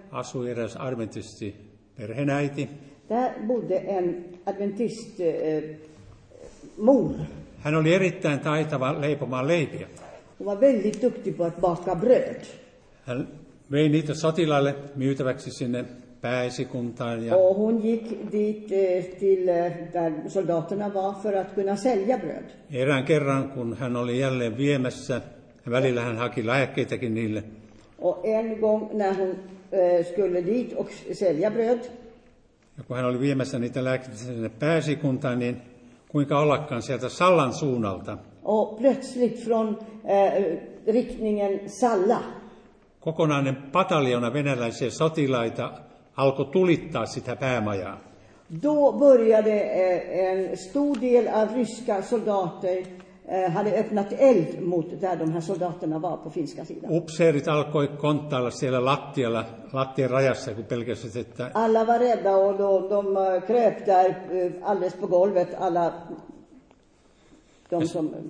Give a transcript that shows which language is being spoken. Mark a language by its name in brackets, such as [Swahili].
[Finnish] Asui eräs adventisti perheenäiti. [Swedish] Där bodde en adventist mor. [Finnish] Hän oli erittäin taitava leipomaan leipiä. [Swedish] Hon var väldigt duktig på att baka bröd. [Finnish] Hän vei niitä sotilaille myytäväksi sinne pääesikuntaan. Ja [Swedish] och hon gick dit till där soldaterna var för att kunna sälja bröd. [Finnish] Erään kerran, kun hän oli jälleen viemässä, välillä hän haki lääkkeitäkin niille. [Swedish] Och en gång när hon skulle dit och sälja bröd. [Finnish] Ja kun hän oli viemässä niitä lääkkeitä sinne pääesikuntaan, niin kuinka ollakaan sieltä Sallan suunnalta. [Swedish] Och plötsligt från riktningen Salla. [Finnish] Kokonainen pataljona venäläisiä sotilaita alkoi tulittaa sitä päämajaa. [Swedish] Då började en stor del av ryska soldater hade öppnat eld mot där de här soldaterna var på finska sidan. [Finnish] Upseerit alkoi konttailla siellä lattialla, lattien rajassa, kun pelkäsit, että [Swedish] alla var rädda och de kröp där alldeles på golvet, alla de som